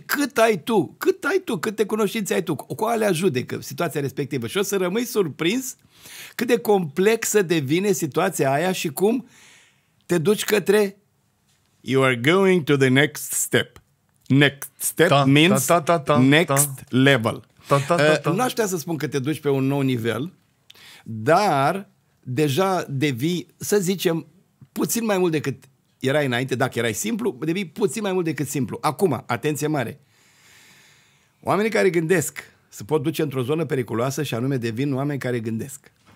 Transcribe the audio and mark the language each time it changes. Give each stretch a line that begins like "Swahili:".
Romanian: cât ai tu, câte cunoștințe ai tu, cu alea judecă situația respectivă și o să rămâi surprins cât de complexă devine situația aia și cum te duci către
English: you are going to the next step. Next step means next level.
Romanian: N-aș putea să spun că te duci pe un nou nivel, dar deja devii, să zicem, puțin mai mult decât erai înainte, dacă erai simplu, devii puțin mai mult decât simplu. Acum, atenție mare, oamenii care gândesc se pot duce într-o zonă periculoasă și anume devin oameni care gândesc.